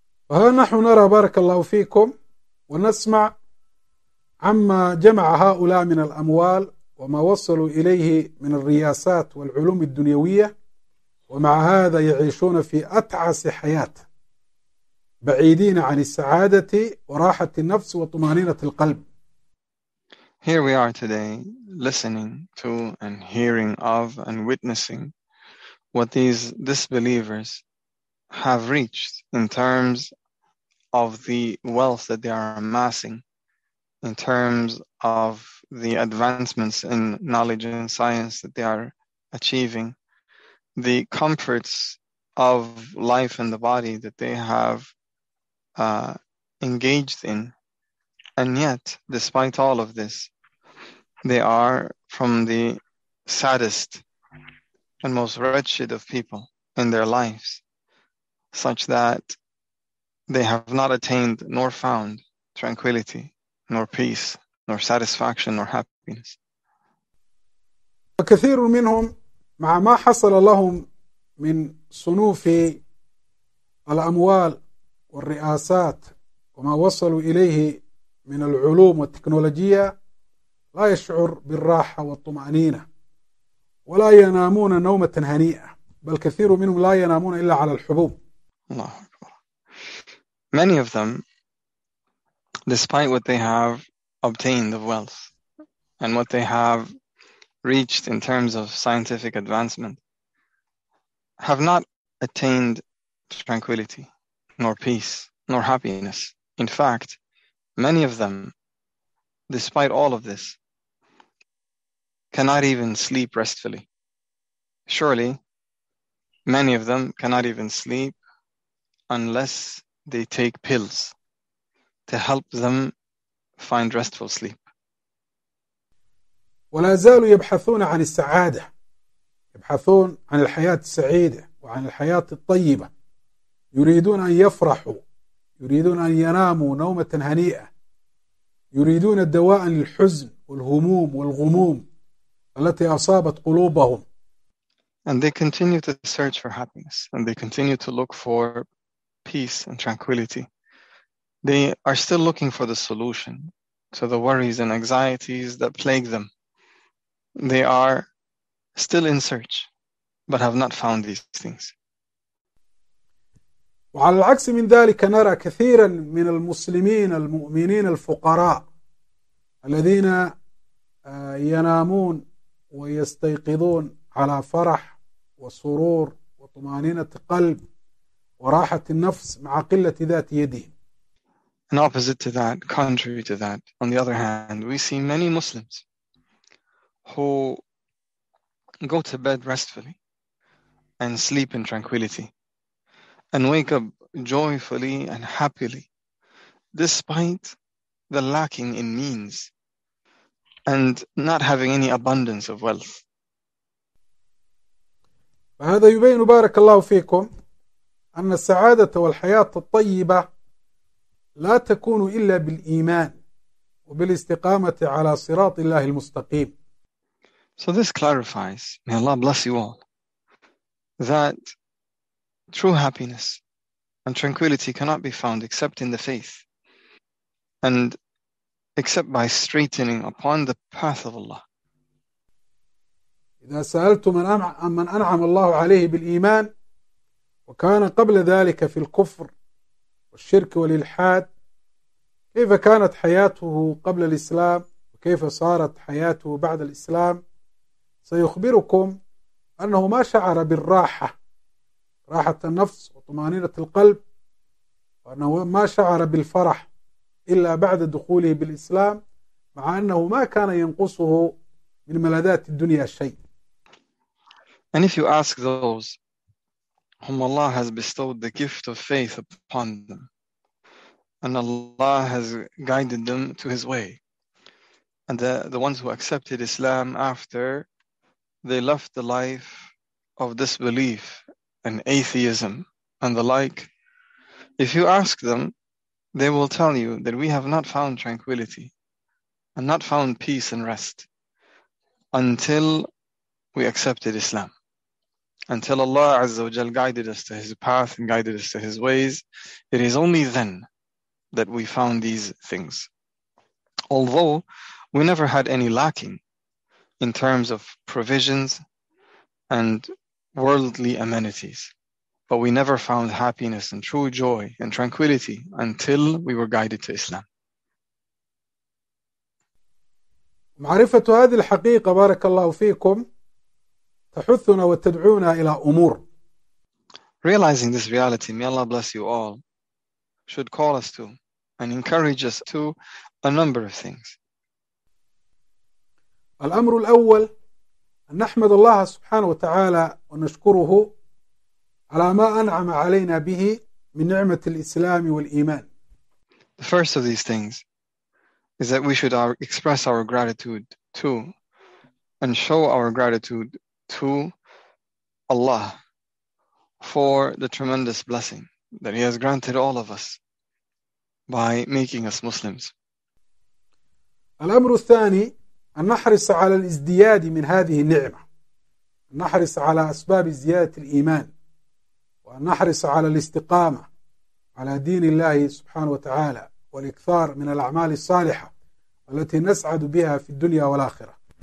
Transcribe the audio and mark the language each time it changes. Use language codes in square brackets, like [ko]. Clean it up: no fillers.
[ar] وها نحن نرى بارك الله فيكم ونسمع عما جمع هؤلاء من الأموال وما وصلوا إليه من الرياسات والعلوم الدنيوية، ومع هذا يعيشون في أتعس حياة بعيدين عن السعادة وراحة النفس وطمأنينة القلب. [en] Here we are today listening to and hearing of and witnessing what these disbelievers have reached in terms of the wealth that they are amassing, in terms of the advancements in knowledge and science that they are achieving, the comforts of life in the body that they have engaged in. And yet, despite all of this, they are from the saddest and most wretched of people in their lives, such that they have not attained nor found tranquility, nor peace, nor satisfaction, nor happiness. [ar] وكثير منهم مع ما حصل لهم من صنوف الأموال والرئاسات وما وصلوا إليه من العلوم والتكنولوجيا لا يشعر بالراحة والطمأنينة ولا ينامون نومة هنيئة، بل كثير منهم لا ينامون إلا على الحبوب. الله أكبر. [en] Many of them despite what they have obtained of wealth and what they have reached in terms of scientific advancement, have not attained tranquility, nor peace, nor happiness. In fact, many of them, despite all of this, cannot even sleep restfully. Surely, many of them cannot even sleep unless they take pills to help them find restful sleep. [ar] ولا زالوا يبحثون عن السعادة، يبحثون عن الحياة السعيدة وعن الحياة الطيبة، يريدون أن يفرحوا، يريدون أن يناموا نومة هنيئة، يريدون الدواء للحزن والهموم والغموم التي أصابت قلوبهم. [en] And they continue to search for happiness, and they continue to look for peace and tranquility. They are still looking for the solution to the worries and anxieties that plague them. They are still in search, but have not found these things. [ar] وعلى العكس من ذلك نرى كثيرا من المسلمين المؤمنين الفقراء الذين ينامون ويستيقظون على فرح وسرور وطمأنينة قلب وراحة النفس مع قلة ذات يدهم. [en] And opposite to that, contrary to that, on the other hand, we see many Muslims who go to bed restfully and sleep in tranquility and wake up joyfully and happily despite the lacking in means and not having any abundance of wealth. [ar] فهذا يبين بارك الله فيكم أن السعادة والحياة الطيبة لا تكون إلا بالإيمان وبالاستقامة على صراط الله المستقيم. [en] So this clarifies, may Allah bless you all, that true happiness and tranquility cannot be found except in the faith and except by straightening upon the path of Allah. [ar] إذا سألت من أنعم الله عليه بالإيمان وكان قبل ذلك في الكفر والشرك والإلحاد، كيف كانت حياته قبل الإسلام وكيف صارت حياته بعد الإسلام، سيخبركم أنه ما شعر بالراحة، راحة النفس وطمأنينة القلب، وأنه ما شعر بالفرح إلا بعد دخوله بالإسلام، مع أنه ما كان ينقصه من ملذات الدنيا شيء. [en] And if you ask those whom Allah has bestowed the gift of faith upon them, and Allah has guided them to His way, and the ones who accepted Islam after they left the life of disbelief and atheism and the like, if you ask them, they will tell you that we have not found tranquility and not found peace and rest until we accepted Islam. Until Allah Azza wa Jal guided us to His path and guided us to His ways, it is only then that we found these things. Although we never had any lacking in terms of provisions and worldly amenities, but we never found happiness and true joy and tranquility until we were guided to Islam. [ar] معرفة هذه الحقيقة بارك الله فيكم تحثنا وتدعونا إلى أمور. [en] Realizing this reality, may Allah bless you all, should call us to and encourage us to a number of things. [ar] الأمر الأول أن نحمد الله سبحانه وتعالى ونشكره على ما أنعم علينا به من نعمة الإسلام والإيمان. [en] The first of these things is that we should express our gratitude to and show our gratitude to Allah for the tremendous blessing that He has granted all of us by making us Muslims. [ar] الأمر الثاني أن نحرص على الازدياد من هذه النعمة، أن نحرص على أسباب زيادة الإيمان، وأن نحرص على الاستقامة على دين الله سبحانه وتعالى والإكثار من الأعمال الصالحة التي نسعد بها في الدنيا والآخرة.